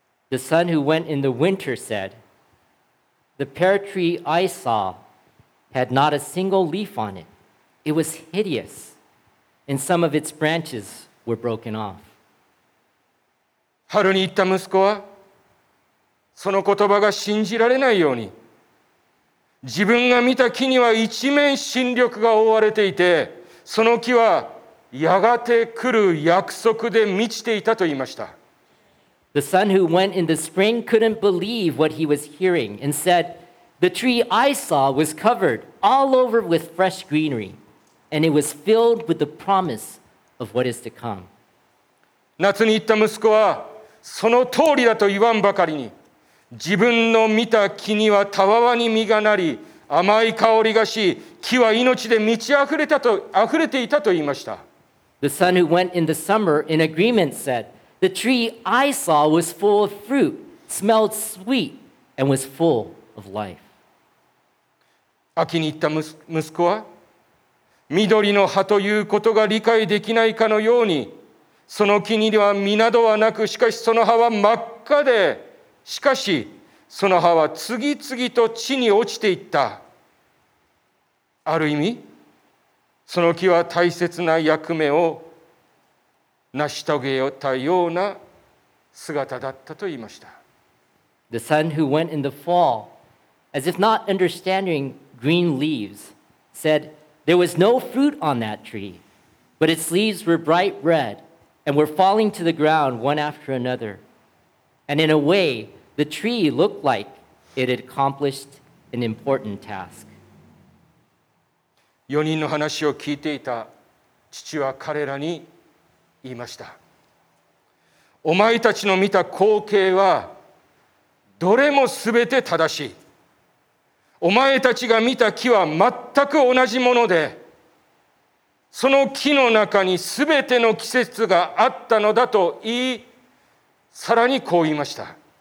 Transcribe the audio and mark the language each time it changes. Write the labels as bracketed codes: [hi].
[en] The son who went in the winter said, The pear tree I saw had not a single leaf on it. It was hideous, and some of its branches were broken off. [ja] 春に言った息子は、その言葉が信じられないように、自分が見た木には一面新緑が覆われていて、その木はやがて来る約束で満ちていたと言いました。 [en] The son who went in the spring couldn't believe what he was hearing and said, "The tree I saw was covered all over with fresh greenery, and it was filled with the promise of what is to come." [ja] 夏に行った息子は、その通りだと言わんばかりに、自分の見た木にはたわわに実がなり、甘い香りがし、木は命で満ち溢れていたと言いました。 [en] The son who went in the summer in agreement said, "The tree I saw was full of fruit, smelled sweet, and was full of life." [ja] 秋に行った息子は、緑の葉ということが理解できないかのように、その木には実などはなく、しかしその葉は真っ赤で、しかしその葉は次々と地に落ちていった。ある意味、その木は大切な役目を成し遂げたような姿だったと言いました。 [en] The son who went in the fall, as if not understanding green leaves, said, "There was no fruit on that tree, but its leaves were bright red and were falling to the ground one after another. And in a way, the tree looked like it had accomplished an important task." [ja] 4人の話を聞いていた父は彼らに言いました。お前たちの見た光景はどれもすべて正しい。お前たちが見た木は全く同じもので、その木の中にすべての季節があったのだと言い、さらにこう言いました。